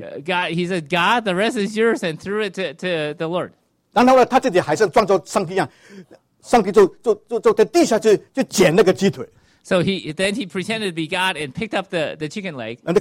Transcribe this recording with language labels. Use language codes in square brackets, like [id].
[en] God, he said, God, the rest is yours, and threw it to the Lord. [zh] 然后呢，他自己还是装作上帝一样，上帝就在地下去捡那个鸡腿。So [en] he pretended to be God and picked up the chicken leg.